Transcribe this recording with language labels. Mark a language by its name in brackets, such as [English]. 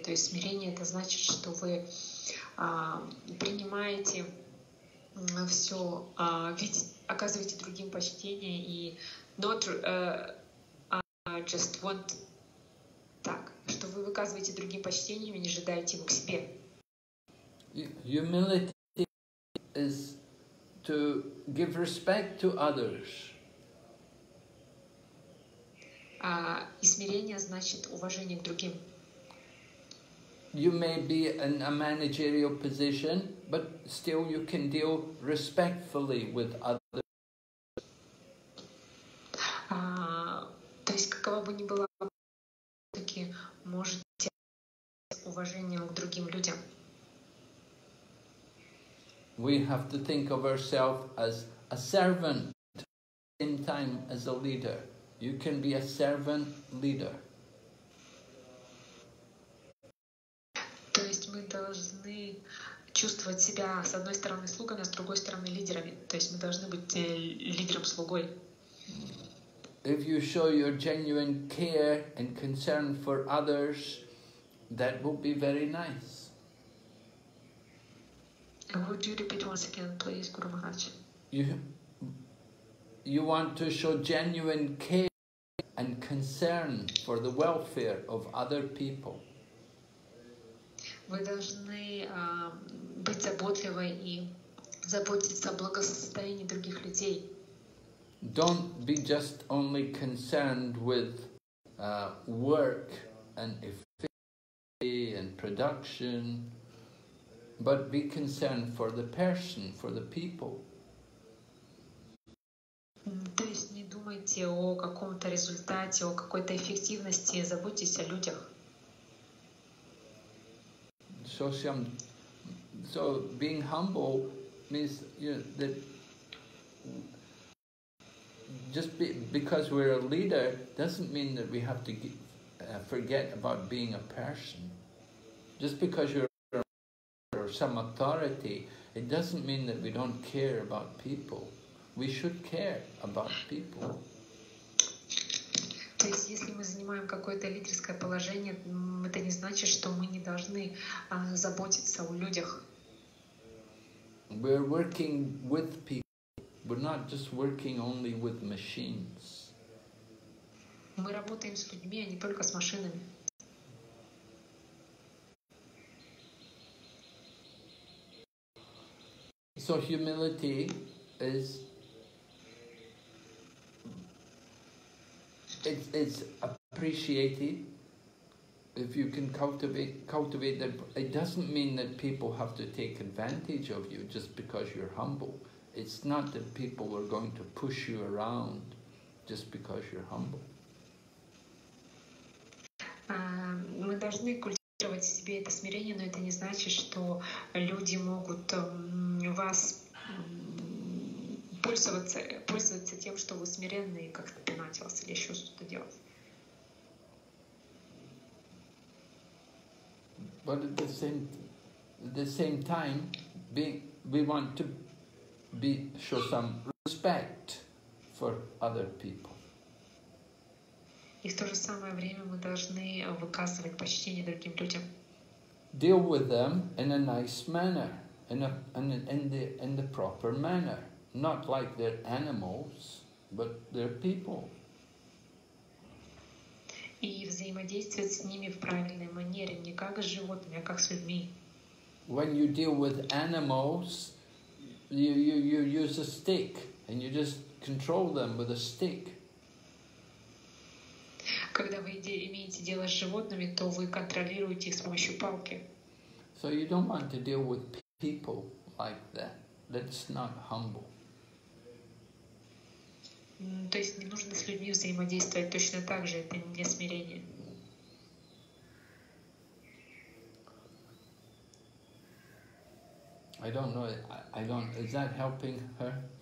[Russian] То есть смирение — это значит, что вы принимаете все, оказываете другим почтение и что вы выказываете другим почтением и не ожидаете его к себе. [English] Humility is to give respect to others. [Russian] И смирение значит уважение к другим. [English] You may be in a managerial position, but still you can deal respectfully with others. [Russian] То есть какова бы ни была, таки можете уважение к другим людям. [English] We have to think of ourselves as a servant at the same time as a leader. You can be a servant leader. [Russian] То есть мы должны чувствовать себя с одной стороны слугами, а с другой стороны лидерами. То есть мы должны быть лидером-слугой. [English] If you show your genuine care and concern for others, that will be very nice. Would you repeat once again, please, Guru Maharaj? You want to show genuine care and concern for the welfare of other people. [Russian] Вы должны быть заботливой и заботиться о благосостоянии других людей. [English] Don't be just only concerned with work and efficiency and production, but be concerned for the person, for the people. [Russian] То есть не думайте о каком-то результате, о какой-то эффективности, заботьтесь о людях. [English] So being humble means, you know, that just because we're a leader doesn't mean that we have to forget about being a person. Just because you're a leader or some authority, it doesn't mean that we don't care about people. We should care about people. [Russian] То есть, если мы занимаем какое-то лидерское положение, это не значит, что мы не должны заботиться о людях. [English] We're working with people. We're not just working only with machines. [Russian] Мы работаем с людьми, а не только с машинами. [English] So humility is... It's appreciated if you can cultivate that. It doesn't mean that people have to take advantage of you just because you're humble. It's not that people are going to push you around just because you're humble. [Russian] Мы должны культивировать в себе это смирение, но это не значит, что люди могут вас пользоваться тем, что вы смиренны и как-то пинать вас или еще что-то делать. [English] But at the same time, we want to be show some respect for other people. [Russian] И в то же самое время мы должны выказывать почтение другим людям. [English] Deal with them in a nice manner, in the proper manner. Not like they're animals, but they're people. [Russian] И взаимодействовать с ними в правильной манере, не как с животными, а как с людьми. [English] When you deal with animals, you use a stick and you just control them with a stick. [Russian] Когда вы имеете дело с животными, то вы контролируете их с помощью палки. [English] So you don't want to deal with people like that. That's not humble. [Russian] То есть не нужно с людьми взаимодействовать точно так же, это не смирение. [English] I don't know, is that helping her?